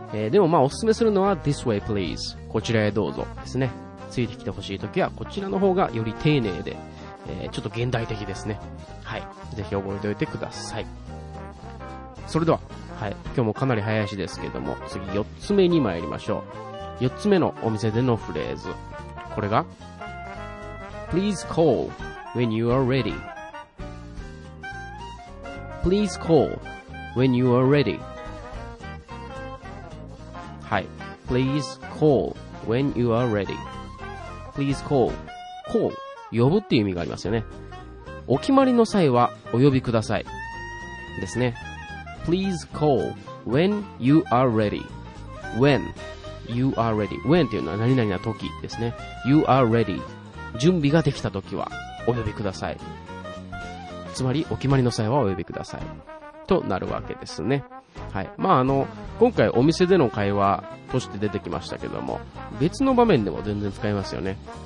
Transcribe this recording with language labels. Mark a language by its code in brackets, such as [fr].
[ja] でもまあおすすめするのは [en] This way please、 [ja] こちらへどうぞですね。ついてきてほしいときはこちらの方がより丁寧で、ちょっと現代的ですね。はい、ぜひ覚えておいてください。それでは、はい、今日もかなり早足ですけども、次4つ目に参りましょう。 4つ目のお店でのフレーズ、これが [en] Please call when you are readyPlease call when you are ready. [ja] はい。 [en] Please call when you are ready. Please call. [ja] Call. 呼ぶっていう意味がありますよね。お決まりの際はお呼びください。ですね。 [en] Please call when you are ready. When you are ready. [ja] When っていうのは何々な時ですね。 [en] You are ready. [ja] 準備ができた時はお呼びください。つまりお決まりの際はお呼びくださいとなるわけですね。はい。まあ今回お店での会話として出てきましたけども、別の場面でも全然使えますよね。